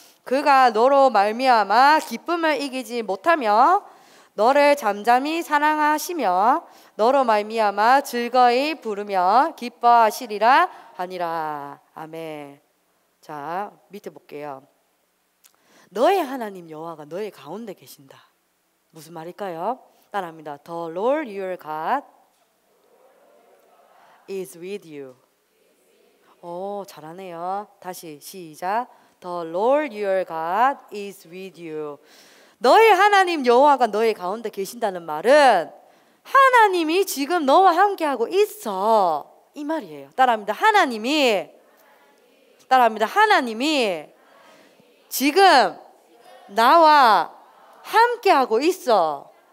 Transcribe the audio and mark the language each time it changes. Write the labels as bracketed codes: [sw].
[ko] 그가 너로 말미암아 기쁨을 이기지 못하며 너를 잠잠히 사랑하시며 너로 말미암아 즐거이 부르며 기뻐하시리라 하니라. 아멘. 자, 밑에 볼게요. 너의 하나님 여호와가 너의 가운데 계신다. 무슨 말일까요? 따라합니다. [en] The Lord your God is with you. [ko] 오, 잘하네요. 다시 시작. [en] The Lord your God is with you. [ko] 너의 하나님 여호와가 너의 가운데 계신다는 말은 하나님이 지금 너와 함께하고 있어. 이 말이에요. 따라합니다. 하나님이, 따라합니다. 하나님이 지금 나와 함께하고 있어.